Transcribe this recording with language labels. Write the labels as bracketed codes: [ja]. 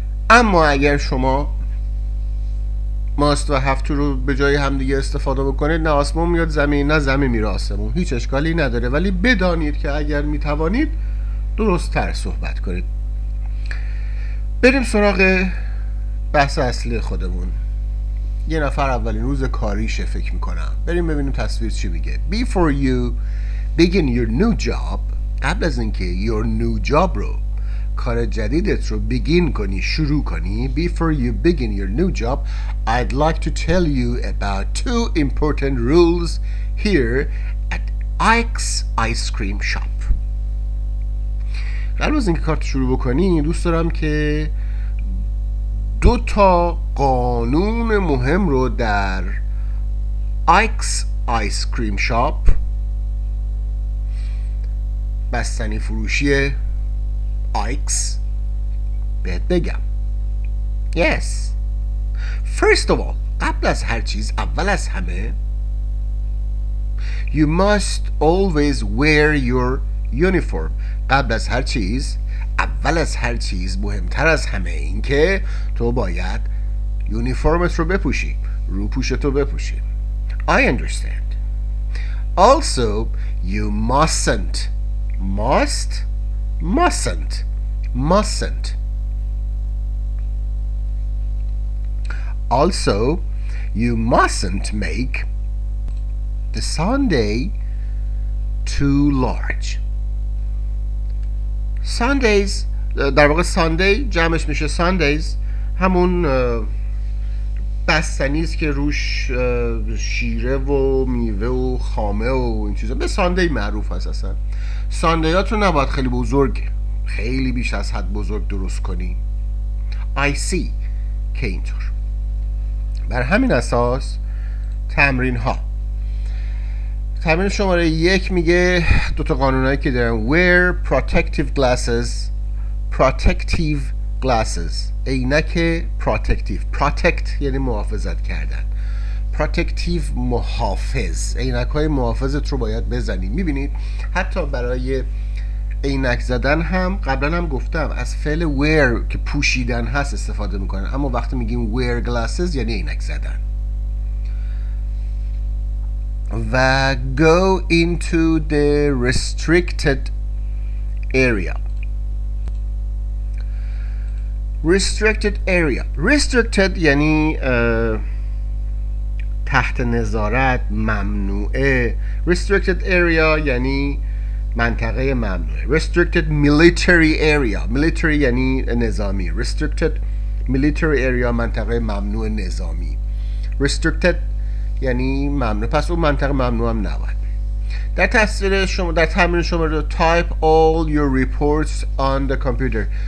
[fa] اما اگر شما must و have to رو به جای همدیگه استفاده بکنید، نه آسمون میاد زمین نه زمین میره آسمون، هیچ اشکالی نداره. ولی بدانید که اگر میتوانید درست تر صحبت کنید. بریم سراغ بحث اصلی خودمون. یه نفر اولین روز کاریشه فکر میکنم، بریم ببینیم تصویر چی میگه. [en] Before you begin your new job، [fa] قبل از اینکه [en] your new job رو، [fa] کار جدیدت رو [en] begin [fa] کنی، شروع کنی، [en] Before you begin your new job I'd like to tell you about two important rules here at Ike's Ice Cream Shop. [fa] قبل از اینکه کارت شروع بکنی دوست دارم که دو تا قانون مهم رو در Ike's Ice Cream Shop، بستنی فروشی Ike's، بهت بگم. [en] Yes. First of all، [fa] قبل از هر چیز، اول از همه، [en] You must always wear your uniform. [fa] قبل از هر چیز، اول از هر چیز، مهمتر از همه این که تو باید یونیفرمت رو بپوشی، روپوشت رو بپوشی. [en] I understand. Also you mustn't. Must mustn't. Mustn't. Also you mustn't make the sundae too large. [fa] Sundays، در واقع Sunday جمعش میشه Sundays، همون بستنیست که روش شیره و میوه و خامه و این چیزا، به Sunday معروف هست اصلا. Sunday هاتو نباید خیلی بزرگ، خیلی بیش از حد بزرگ درست کنی. [en] I see، [fa] که اینطور. بر همین اساس تمرین ها، تمرین شماره یک میگه دوتا قانونهایی که دارن: [en] wear protective glasses، [fa] protective glasses، عینک protective، protect یعنی محافظت کردن، protective محافظ، عینک های محافظت رو باید بزنی. میبینید حتی برای عینک زدن هم قبلا هم گفتم از فعل wear که پوشیدن هست استفاده میکنن، اما وقتی میگیم [en] wear glasses [fa] یعنی عینک زدن. [en] و go into the restricted area. Restricted area. [fa] Restricted یعنی تحت نظارت، ممنوعه. Restricted area یعنی منطقه ممنوعه. [en] Restricted military area. [fa] Military یعنی نظامی. [en] Restricted military area [fa] منطقه ممنوع نظامی. Restricted یعنی ممنوع. پس اون منطقه ممنوع هم نباید. در تصویر شما، در تمرین شما رو [en] type all your reports on the computer.